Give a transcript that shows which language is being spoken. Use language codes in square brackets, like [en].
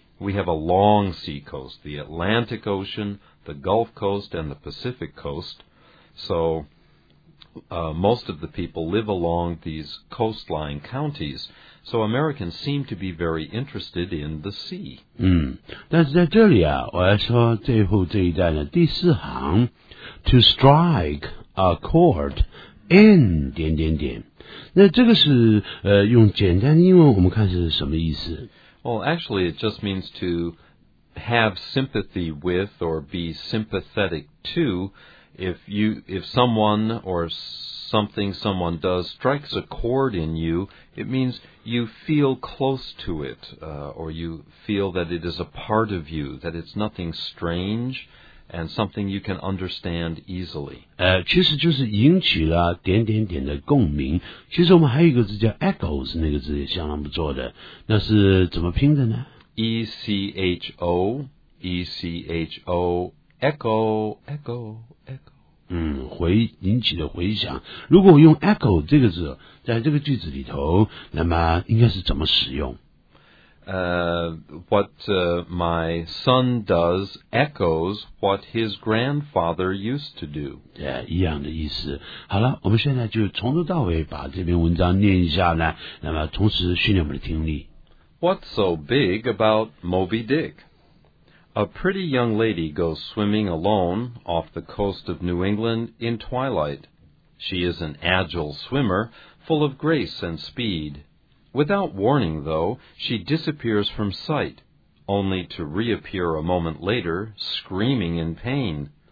[en] We have a long seacoast, the Atlantic Ocean, the Gulf Coast, and the Pacific Coast. So most of the people live along these coastline counties. So Americans seem to be very interested in the sea. [zh] 但是在这里啊，我要说最后这一段的第四行 , [en] to strike a chord in [zh] 点点点。那这个是用简单的英文我们看是什么意思。 [en] Well, actually, it just means to have sympathy with or be sympathetic to. If someone or something someone does strikes a chord in you, it means you feel close to it, or you feel that it is a part of you, that it's nothing strange and something you can understand easily. [zh] 其实就是引起了点点点的共鸣。其实我们还有一个字叫 echoes, 那个字也相当不错的。那是怎么拼的呢？ [en] E-C-H-O, E-C-H-O, echo, echo. [zh] 回引起的回响，如果我用 echo 这个字在这个句子里头，那么应该是怎么使用？ [en] What my son does echoes what his grandfather used to do. [zh] 一样的意思。好了，我们现在就从头到尾把这篇文章念一下呢，那么同时训练我们的听力。 [en] What's so big about Moby Dick? A pretty young lady goes swimming alone off the coast of New England in twilight. She is an agile swimmer, full of grace and speed. Without warning, though, she disappears from sight, only to reappear a moment later, screaming in pain.